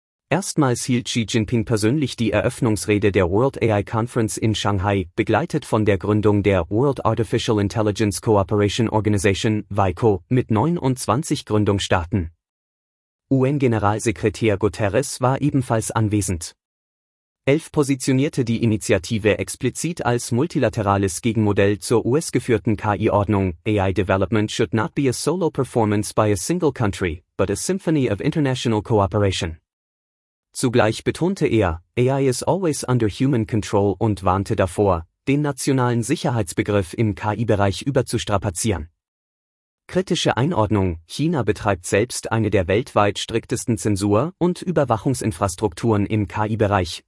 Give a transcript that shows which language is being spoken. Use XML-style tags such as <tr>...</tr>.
<de>Erstmals hielt Xi Jinping persönlich die Eröffnungsrede der World AI Conference in Shanghai, begleitet von der Gründung der World Artificial Intelligence Cooperation Organization, WIKO, mit 29 Gründungsstaaten. UN-Generalsekretär Guterres war ebenfalls anwesend. 11 positionierte die Initiative explizit als multilaterales Gegenmodell zur US-geführten KI-Ordnung.</de> <en>AI Development should not be a solo performance by a single country, but a symphony of international cooperation.</en> <de>Zugleich betonte er,</de> <en>AI is always under human control</en> <de>und warnte davor, den nationalen Sicherheitsbegriff im KI-Bereich überzustrapazieren. Kritische Einordnung: China betreibt selbst eine der weltweit striktesten Zensur- und Überwachungsinfrastrukturen im KI-Bereich.</de>